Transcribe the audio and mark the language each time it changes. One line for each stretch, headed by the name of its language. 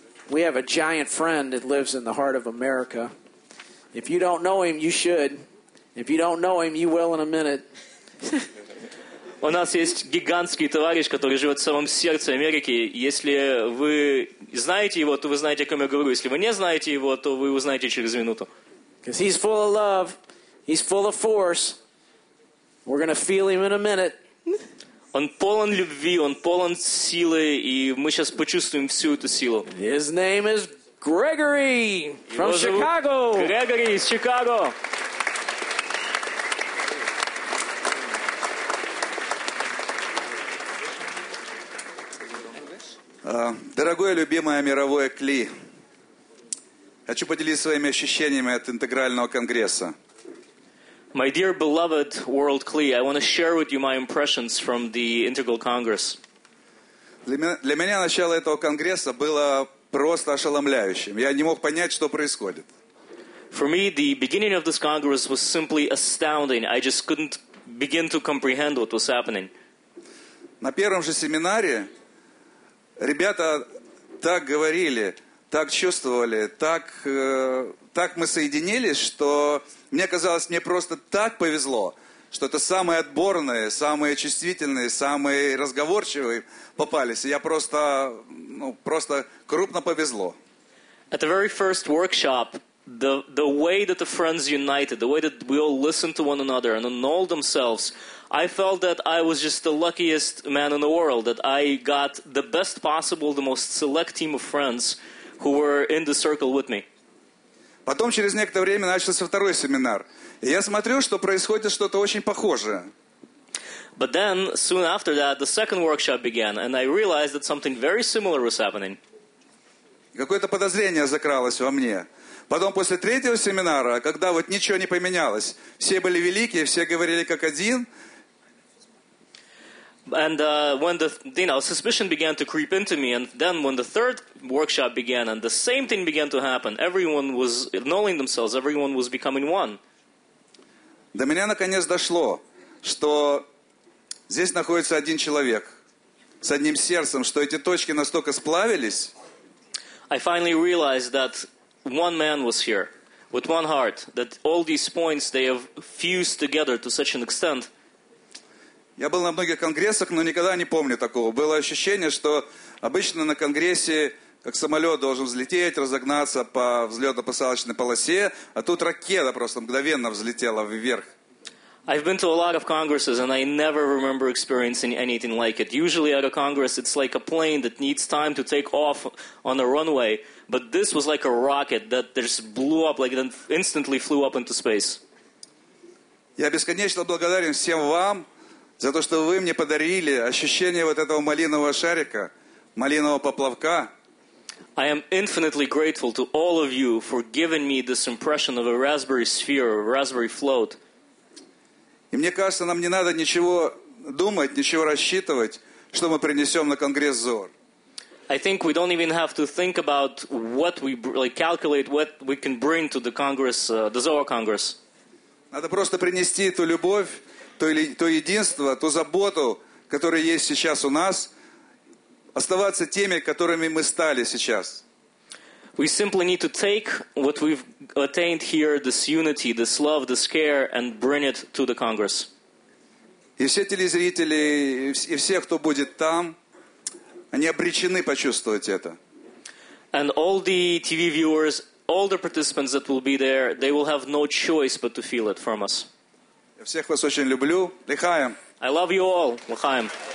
English: We have a giant friend that lives in the heart of America. If you don't know him, you should. If you don't know him, you will in a minute.
Russian: У нас есть гигантский товарищ, который живет в самом сердце Америки. Если вы знаете его, то вы знаете, о ком я говорю. Если вы не знаете его, то вы узнаете через минуту.
English: Because he's full of love, he's full of force. We're gonna feel him in a minute.
Russian: Он полон любви, он полон силы, и мы сейчас почувствуем всю эту силу.
English: His name is Gregory from Chicago.
Russian: Gregory из Чикаго. Дорогое, любимое, мировое Кли, хочу поделиться своими ощущениями от интегрального конгресса.
English: My dear beloved World Kli, I want to share with you my impressions from the Integral Congress.
Russian: Для меня начало этого конгресса было просто ошеломляющим. Я не мог понять, что происходит.
English: For me, the beginning of this Congress was simply astounding. I just couldn't begin to comprehend what was happening.
Russian: На первом же семинаре ребята так говорили, так чувствовали, так мы соединились, что мне казалось, мне просто так повезло, что это самые отборные, самые чувствительные, самые разговорчивые попались. И я просто, ну, просто крупно повезло.
English: At the very first workshop, the way that the friends united, the way that we all listened to one another and annulled themselves, I felt that I was just the luckiest man in the world, that I got the best possible, the most select team of friends who were in the circle with me.
Russian: Потом, через некоторое время, начался второй семинар. И я смотрю, что происходит что-то очень похожее.
English: But then, soon after that, the second workshop began, and I realized that something very similar was happening.
Russian: Какое-то подозрение закралось во мне. Потом, после третьего семинара, когда вот ничего не поменялось, все были великие, все говорили как один.
English: And when the, you know, suspicion began to creep into me, and then when the third workshop began, and the same thing began to happen, everyone was annulling themselves, everyone was becoming one.
Russian: До меня наконец дошло, что здесь находится один человек с одним сердцем, что эти точки настолько сплавились.
English: I finally realized that one man was here, with one heart, that all these points, they have fused together to such an extent.
Russian: Я был на многих конгрессах, но никогда не помню такого. Было ощущение, что обычно на конгрессе, как самолет должен взлететь, разогнаться по взлетно-посадочной полосе, а тут ракета просто мгновенно взлетела вверх.
English: I've been to a lot of congresses, and I never remember experiencing anything like it. Usually at a congress, it's like a plane that needs time to take off on a runway, but this was like a rocket that just blew up, like it instantly flew up into space.
Russian: Я бесконечно благодарен всем вам за то, что вы мне подарили ощущение вот этого малинового шарика, малинового поплавка.
English: I am infinitely grateful to all of you for giving me this impression of a raspberry sphere, a raspberry float.
Russian: И мне кажется, нам не надо ничего думать, ничего рассчитывать, что мы принесем на конгресс ЗОР.
English: I think we don't even have to think about what we, like, calculate what we can bring to the Congress, the ZOR Congress.
Russian: Надо просто принести эту любовь, то единство, ту заботу, которая есть сейчас у нас, оставаться теми, которыми мы стали сейчас.
English: We simply need to take what we've attained here, this unity, this love, this care, and bring it to the Congress.
Russian: И все телезрители, и все, кто будет там, они обречены почувствовать это.
English: And all the TV viewers, all the participants that will be there, they will have no choice but to feel it from us.
Russian: Всех вас очень люблю. Лихаем.
English: I love you all. Лихаем.